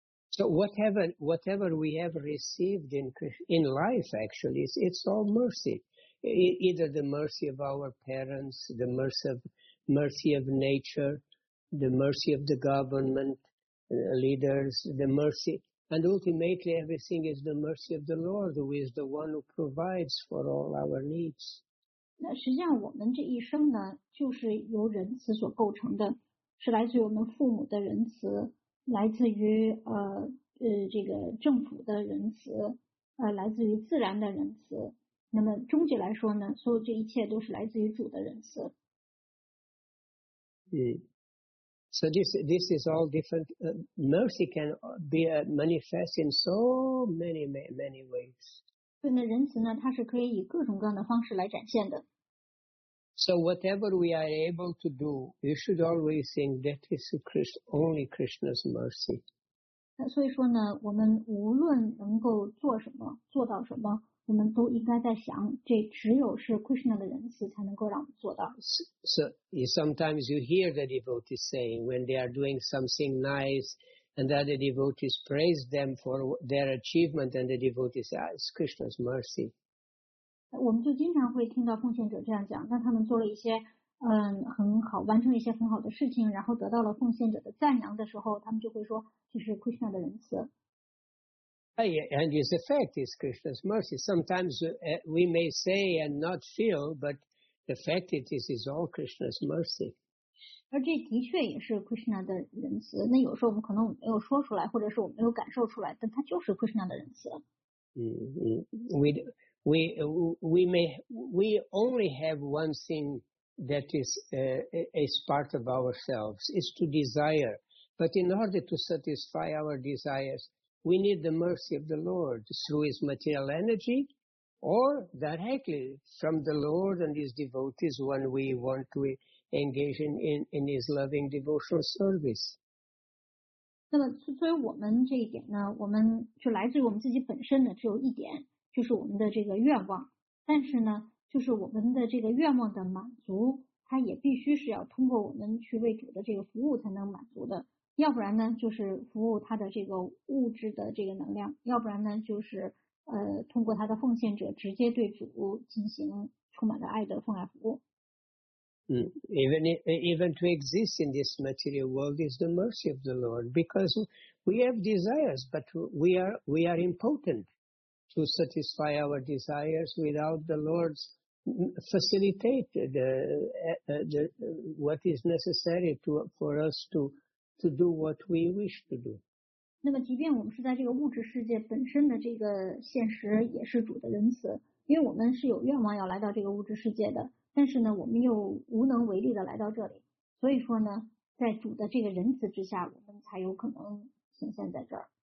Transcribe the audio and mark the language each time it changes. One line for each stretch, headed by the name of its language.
English: So whatever we have received in life actually it's all mercy, either the mercy of our parents, the mercy of nature. The mercy of the government, leaders, the mercy, and ultimately everything is the mercy of the Lord, who is the one who provides for all our needs.
Chinese: 那实际上我们这一生呢，就是由仁慈所构成的，是来自于我们父母的仁慈，来自于这个政府的仁慈，来自于自然的仁慈。那么终极来说呢，所有这一切都是来自于主的仁慈。
English: So this is all different. Mercy can be manifest in so many, many, many ways.
Chinese: 对，那仁慈呢，它是可以以各种各样的方式来展现的。
English: So whatever we are able to do, you should always think that is only Krishna's mercy.
Chinese: 那所以说呢，我们无论能够做什么，做到什么。我们都应该在想，这只有是 Krishna 的仁慈才能够让我们做到。
English: So sometimes you hear the devotees saying when they are doing something nice, and other devotees praise them for their achievement, and the devotees say, "It's Krishna's mercy."
Chinese: 我们就经常会听到奉献者这样讲，当他们做了一些很好，完成了一些很好的事情，然后得到了奉献者的赞扬的时候，他们就会说，这是 Krishna 的仁慈。
English: And its effect is Krishna's mercy. Sometimes we may say and not feel, but the fact is all Krishna's mercy.
Chinese: 而这的确也是 Krishna 的仁慈。那有时候我们可能没有说出来，或者是我们没有感受出来，但它就是 Krishna 的仁慈。
English: We only have one thing that is part of ourselves, is to desire. But in order to satisfy our desires,We need the mercy of the Lord through His material energy, or directly from the Lord and His devotees when we want to engage in His loving devotional service.
Chinese: 那么，作为我们这一点呢，我们就来自于我们自己本身的只有一点，就是我们的这个愿望。但是呢，就是我们的这个愿望的满足，它也必须是要通过我们去为主的这个服务才能满足的。要不然呢，就是服务他的这个物质的这个能量；要不然呢，就是通过他的奉献者直接对主进行充满了爱的奉爱服务。
English: Even to exist in this material world is the mercy of the Lord, because we have desires, but we are impotent to satisfy our desires without the Lord's facilitate the what is necessary for us to do what we wish to do.
Chinese: 那么即便我们是在这个物质世界本身的这个现实也是主的仁慈，因为我们是有愿望要来到这个物质世界的，但是呢我们又无能为力的来到这里，所以说呢在主的这个仁慈之下我们才有可能显现在这儿。